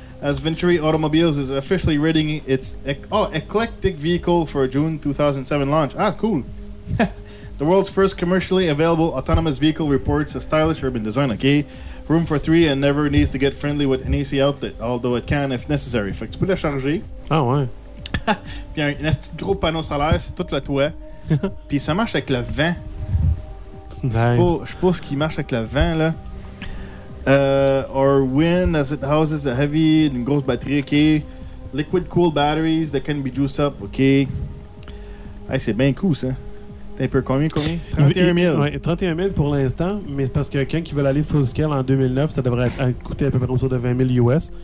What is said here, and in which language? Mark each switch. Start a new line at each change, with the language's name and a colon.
English: As Venturi Automobiles is officially readying its eclectic vehicle for a June 2007 launch. Ah, cool. The world's first commercially available autonomous vehicle reports a stylish urban design. Okay. Room for three and never needs to get friendly with an AC outlet, although it can if necessary.
French: Fait que tu peux le charger. Ah, oh, ouais. Puis un petit gros panneau solaire, c'est tout le toit. Puis ça marche avec le vent.
English: Nice.
French: Je suppose qu'il marche avec le vent, là.
English: Or wind as it houses a heavy and
French: grosse batterie,
English: okay. Liquid cool batteries that can be juiced up, okay.
French: Hey, c'est bien cool ça. T'es un peu combien? 31 000. Ouais, 31 000 pour l'instant, mais parce que quelqu'un qui veut aller full scale en 2009, ça devrait coûter à peu près autour de 20 000 US.